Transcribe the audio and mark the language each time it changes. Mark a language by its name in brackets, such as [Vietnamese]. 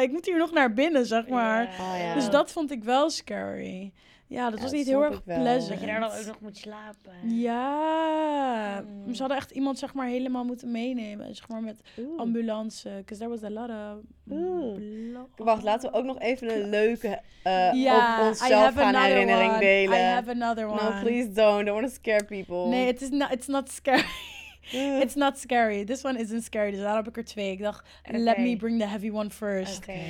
[Dutch] Ik moet hier nog naar binnen, zeg maar. Yeah. Oh, ja. Dus dat vond ik wel scary. Ja, dat was niet heel erg pleasant. Dat je daar dan ook nog moet slapen. Ja. Mm. Ze hadden echt iemand zeg maar helemaal moeten meenemen. Zeg maar met ambulance. [English] Because there was a lot of... [Dutch] Wacht, laten we ook nog even een leuke... op onszelf gaan herinnering [English] one. [Dutch] Delen. [English] I have another one. No, please don't. Don't want to scare people. Nee, it's not scary. It's not scary. This one isn't scary. [Dutch] Dus daar heb ik er twee. Ik dacht, [English] okay. Let me bring the heavy one first.